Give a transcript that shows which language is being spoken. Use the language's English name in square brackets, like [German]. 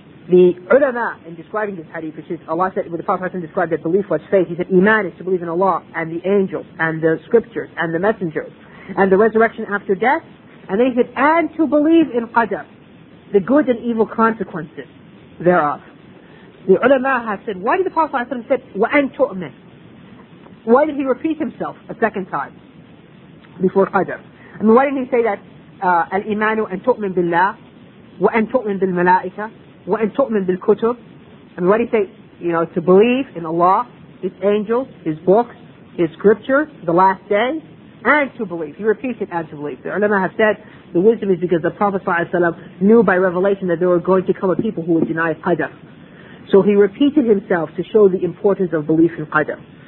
[English] The ulama in describing this hadith, which is Allah said, when the Prophet ﷺ described that belief was faith, he said, iman is to believe in Allah and the angels and the scriptures and the messengers and the resurrection after death, and they said, and to believe in qadr, the good and evil consequences thereof. The ulama has said, why did the Prophet ﷺ say, [Arabic] وَأَن تُؤْمِنَ? [English] Why did he repeat himself a second time before qadr? I mean, why didn't he say that, [Arabic] الْإِمَانُ أَن تُؤْمِنَ بِاللَّهِ وَأَن تُؤْمِنَ بِالْمَلَائِكَ وَأَن تُؤْمِنَ بِالْكُتُبِ? [English] I mean, why did he say, you know, to believe in Allah, His angels, His books, His scriptures, the last day, and to believe. He repeats it, and to believe. The ulama have said, the wisdom is because the Prophet ﷺ knew by revelation that there were going to come a people who would deny qadr. So he repeated himself to show the importance of belief in qadr.